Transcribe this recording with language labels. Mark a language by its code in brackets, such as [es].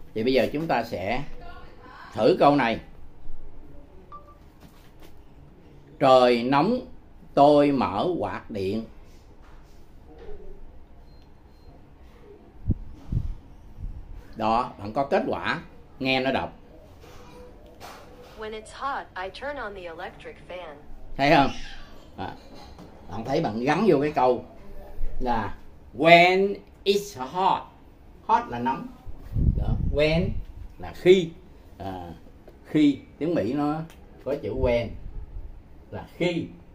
[vi] Thì bây giờ chúng ta sẽ thử câu này. Trời nóng, tôi mở quạt điện. Đó, bạn có kết quả, nghe nó đọc. [en] When it's hot, I turn on the electric fan. [vi] Thấy không? À, bạn thấy bạn gắn vô cái câu là [en] when it's hot. [vi] Hot là nóng. Đó, when là khi. À, khi tiếng Mỹ nó có chữ when là khi.